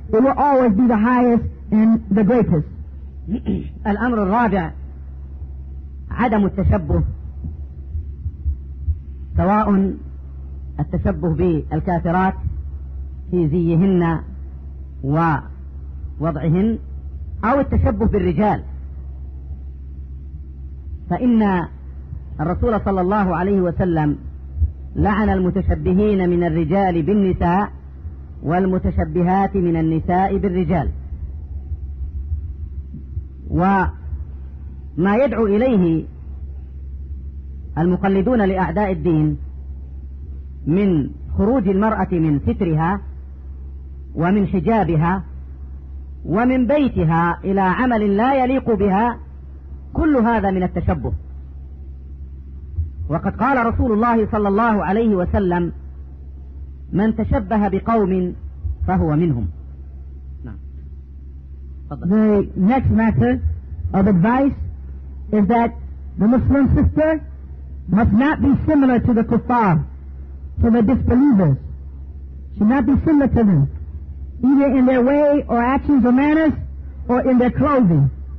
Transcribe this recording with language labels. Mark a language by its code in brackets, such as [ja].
[en] It will always be the highest and the greatest. [ar] الأمر الرابع عدم التشبه سواء التشبه بالكافرات في زيهن ووضعهن أو التشبه بالرجال فإن الرسول صلى الله عليه وسلم لعن المتشبهين من الرجال بالنساء والمتشبهات من النساء بالرجال وما يدعو إليه المقلدون لأعداء الدين من خروج المرأة من سترها ومن حجابها ومن بيتها إلى عمل لا يليق بها كل هذا من التشبه وقد قال رسول الله صلى الله عليه وسلم من تشبه بقوم فهو منهم. [en] The next matter of advice is that the Muslim sister must not be similar to the kuffar, to the disbelievers. Should not be similar to them, either in their way or actions or manners, or in their clothing.